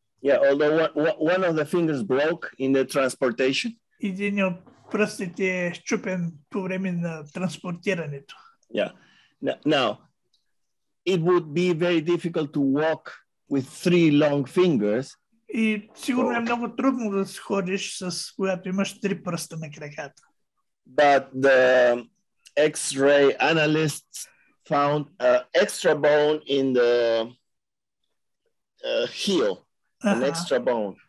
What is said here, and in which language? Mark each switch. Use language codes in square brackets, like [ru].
[en] Yeah, although one of the fingers broke in the transportation. [bg] Един от пръстите е счупен по време на транспортирането. [en] Yeah. Now, it would be very difficult to walk with three long fingers. [bg] И сигурно е много трудно да се ходиш с която имаш три пръста на краката. [en] But the X-ray analysts found an extra bone in the heel. An extra bone.